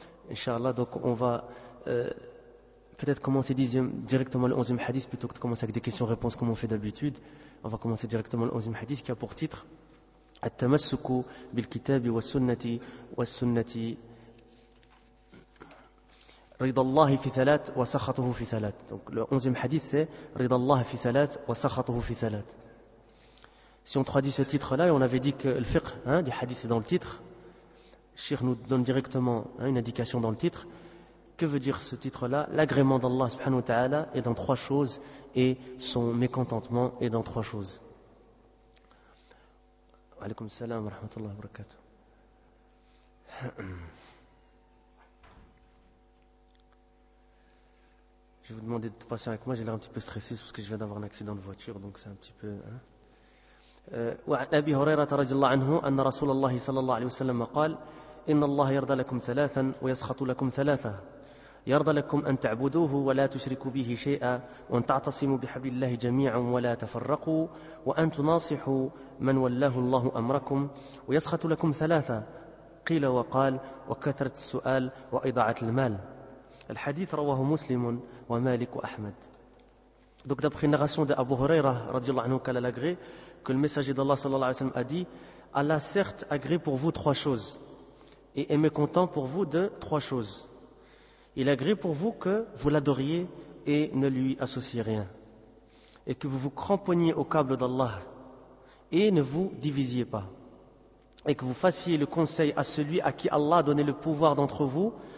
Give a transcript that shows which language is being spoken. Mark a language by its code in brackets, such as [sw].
[fr] Inch'Allah, donc on va peut-être commencer directement le 11e hadith, plutôt que de commencer avec des questions-réponses comme on fait d'habitude. On va commencer directement le 11e hadith, qui a pour titre [ar] التمسك بالكتاب والسنة والسنة رضا الله في ثلاث [fr] وسخطه في ثلاث. Donc le 11e hadith c'est [ar] رضا الله في ثلاث وسخطه في ثلاث. [fr] Si on traduit ce titre là, et on avait dit que le fiqh, hein, du hadith est dans le titre, Cheikh nous donne directement, hein, une indication dans le titre. Que veut dire ce titre là l'agrément d'Allah subhanahu wa ta'ala est dans trois choses, et son mécontentement est dans trois choses. [ar] عليكم السلام ورحمة الله وبركاته. [fr] Je vous demande de passer avec moi. J'ai l'air un petit peu stressé parce que je viens d'avoir un accident de voiture, donc c'est un petit peu. [ar] وعن أبي هريرة رضي الله عنه أن رسول الله صلى الله عليه وسلم قال إن الله يرضى لكم ثلاثا ويسخط لكم ثلاثة. يرضى لكم أن تعبدوه ولا تشركوا به شيئا، وأن تعتصموا بحبل الله جميعا ولا تفرقوا، وأن تناصحوا من ولاه الله أمركم. ويسخط لكم ثلاثة، قيل وقال، وكثرة السؤال، وإضاعة المال. الحديث رواه مسلم ومالك وأحمد. [fr] Donc d'après une narration de Abu Huraira [ar] رضي الله عنه قال [fr] l'agré que le messager d'Allah [ar] صلى الله عليه وسلم [fr] a dit: Allah certes agré pour vous trois choses, et est mécontent pour vous de trois choses. Il agrée pour vous que vous l'adoriez et ne lui associez rien, et que vous vous cramponniez au câble d'Allah et ne vous divisiez pas, et que vous fassiez le conseil à celui à qui Allah a donné le pouvoir d'entre vous.